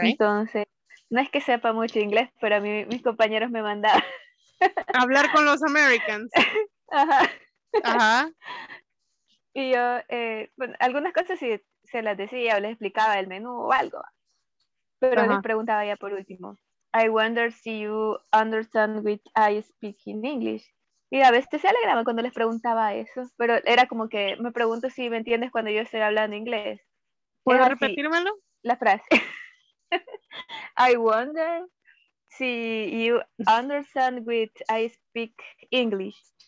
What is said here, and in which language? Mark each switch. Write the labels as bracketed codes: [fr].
[es] Entonces, no es que sepa mucho inglés, pero a mí mis compañeros me mandaban. Hablar con los Americans. Ajá. Ajá. Y yo, bueno, algunas cosas sí se las decía o les explicaba el menú o algo. Pero les preguntaba ya por último. [en] I wonder [es] si [en] you understand which I speak in English. [es] Y a veces se alegraba cuando les preguntaba eso. Pero era como que me pregunto si me entiendes cuando yo estoy hablando inglés. ¿Puedo repetírmelo? La frase. [en] I wonder [es] si [en] you understand which I speak English.